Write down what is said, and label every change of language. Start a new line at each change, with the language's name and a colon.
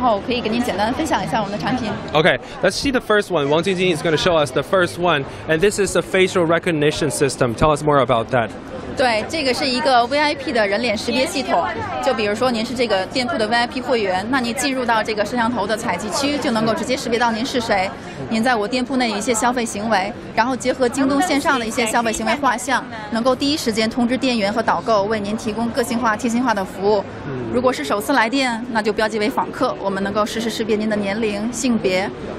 Chinese: 自我介绍一下。啊，我叫王晶晶，来自京东金融。然后我们这次展示的两个展品都是基于机器视觉人脸识别系统做的。然后可以给您简单分享一下我们的产品。Okay,
English: let's see the first one. Wang Jingjing is going to show us the first one, and this is a facial recognition system. Tell us more about that.
Chinese: 对，这个是一个 VIP 的人脸识别系统。就比如说您是这个店铺的 VIP 会员，那您进入到这个摄像头的采集区，就能够直接识别到您是谁。您在我店铺内一些消费行为，然后结合京东线上的一些消费行为画像，能够第一时间通知店员和导购，为您提供个性化、贴心化的服务。如果是首次来店，那就标记为访客，我们能够实时识别您的年龄、性别。